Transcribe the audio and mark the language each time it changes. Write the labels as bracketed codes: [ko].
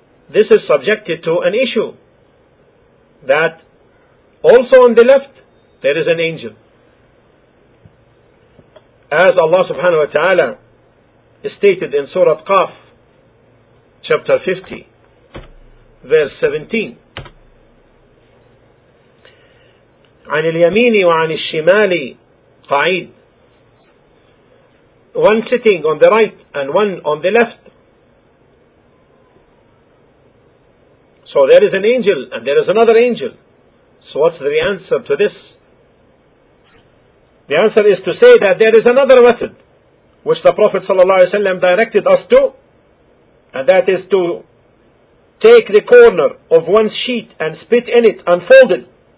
[en] This is subjected to an issue that also on the left there is an angel, as Allah subhanahu wa ta'ala stated in Surah Qaf, chapter 50, verse 17. [ar] عن اليمين وعن الشمال قعيد. [en] One sitting on the right and one on the left. So there is an angel and there is another angel. So what's the answer to this? The answer is to say that there is another method which the Prophet ﷺ directed us to, and that is to take the corner of one's sheet and spit in it unfolded.